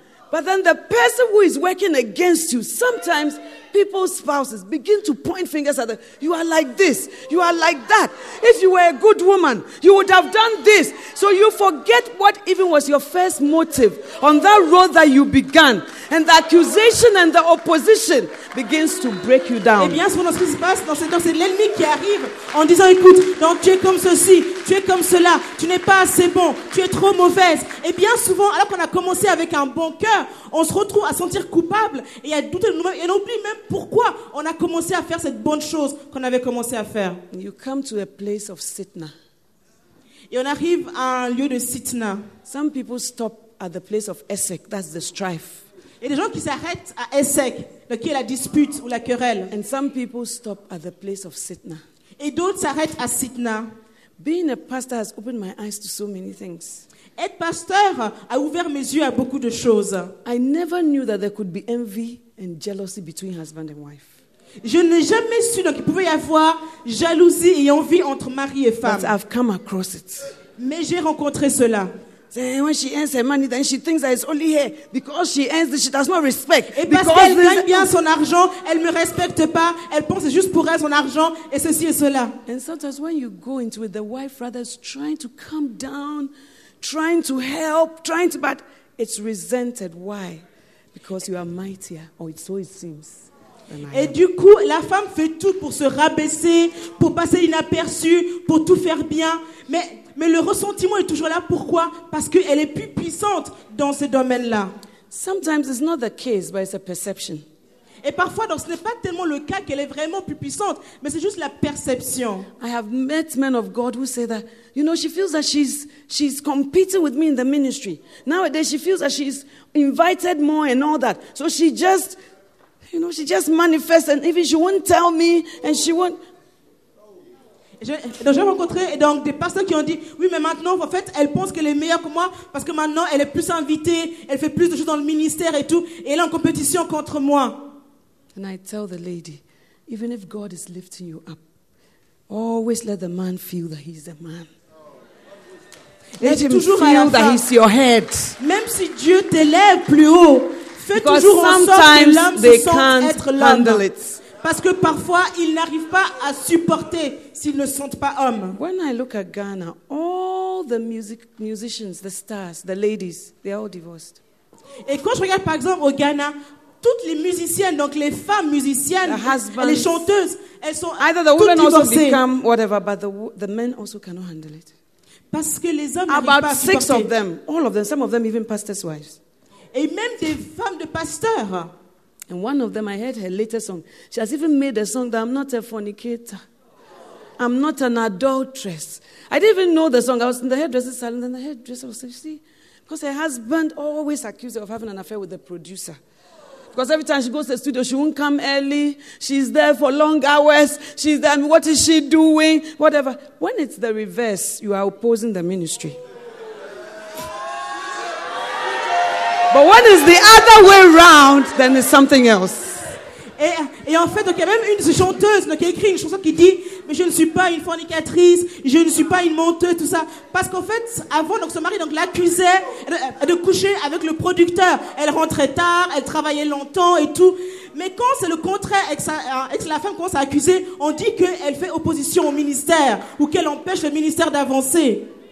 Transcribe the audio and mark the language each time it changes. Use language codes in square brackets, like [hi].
[en] But then the person who is working against you, sometimes people's spouses begin to point fingers at them. You are like this. You are like that. If you were a good woman, you would have done this. So you forget what even was your first motive on that road that you began. And the accusation and the opposition begins to break you down. [fr] Et bien souvent, ce qui se passe dans ce temps, c'est l'ennemi qui arrive en disant, écoute, donc tu es comme ceci, tu es comme cela, tu n'es pas assez bon, tu es trop mauvaise. Et bien souvent, alors qu'on a commencé avec un bon cœur, on se retrouve à sentir coupable et à douter de nous-mêmes et on oublie même pourquoi on a commencé à faire cette bonne chose qu'on avait commencé à faire. [en] You come to a place of Sitna. [fr] Et on arrive à un lieu de Sitna. [en] Some people stop at the place of Esek, that's the strife. [fr] Et des gens qui s'arrêtent à Esek, donc qui est la dispute ou la querelle. [en] And some people stop at the place of Sitna. [fr] Et d'autres s'arrêtent à Sitna. [en] Being a pastor has opened my eyes to so many things. [fr] Être pasteur a ouvert mes yeux à beaucoup de choses. [en] I never knew that there could be envy and jealousy between husband and wife. [fr] Je n'ai jamais su donc qu'il pouvait y avoir jalousie et envie entre mari et femme. [en] But I've come across it. [fr] Mais j'ai rencontré cela. [en] When she earns her money, then she thinks that it's only her. Because she earns it, she does not respect. [fr] Et parce [en] because [fr] qu'elle gagne bien son argent, elle ne me respecte pas. Elle pense juste pour elle son argent et ceci et cela. [en] And sometimes when you go into it, the wife rather is trying to calm down, trying to help, but it's resented. Why? Because you are mightier, or so it seems. [fr] Et du coup, la femme fait tout pour se rabaisser, pour passer inaperçue, pour tout faire bien. Mais le ressentiment est toujours là. Pourquoi? Parce qu'elle est plus puissante dans ce domaine-là. [en] Sometimes it's not the case, but it's a perception. [fr] Et parfois, donc, ce n'est pas tellement le cas qu'elle est vraiment plus puissante, mais c'est juste la perception. [en] I have met men of God who say that, you know, she feels that she's competing with me in the ministry. Nowadays, she feels that she's invited more and all that. So she just, you know, she just manifests and even she won't tell me and she won't. [fr] Donc j'ai rencontré donc des personnes qui ont dit oui mais maintenant en fait elle pense qu'elle est meilleure que moi parce que maintenant elle est plus invitée, elle fait plus de choses dans le ministère et tout et elle est en compétition contre moi. [en] And I tell the lady, even if God is lifting you up, always let the man feel that he's a man. Let him feel that he's your head. [fr] Même si Dieu t'élève plus haut, fais toujours en sorte que l'homme se sente être l'homme. Parce que parfois, ils n'arrivent pas à supporter s'ils ne sentent pas homme. [en] When I look at Ghana, all the musicians, the stars, the ladies, they're all divorced. [fr] Et quand je regarde par exemple au Ghana, toutes les musiciennes, donc les femmes musiciennes, les chanteuses, elles sont toutes divorcées. [en] Either the women also become whatever, but the men also cannot handle it. [fr] Parce que les hommes n'arrivent pas à supporter. [en] About six of them, all of them, some of them even pastors' wives. [fr] Et même des femmes de pasteurs. [en] And one of them, I heard her latest song. She has even made a song that I'm not a fornicator. I'm not an adulteress. I didn't even know the song. I was in the hairdresser's salon, and the hairdresser was like, see, because her husband always accused her of having an affair with the producer. Because every time she goes to the studio, she won't come early. She's there for long hours. She's there, what is she doing? Whatever. When it's the reverse, you are opposing the ministry. But when it's the other way around, then it's something else. [fr] Et en fait, donc, il y a même une chanteuse qui a écrit une chanson qui dit, mais je ne suis pas une fornicatrice, je ne suis pas une menteuse, tout ça. Parce qu'en fait, avant, donc, son mari donc, l'accusait de coucher avec le producteur. Elle rentrait tard, elle travaillait longtemps et tout. Mais quand c'est le contraire, et que la femme commence à accuser, on dit qu'elle fait opposition au ministère ou qu'elle empêche le ministère d'avancer.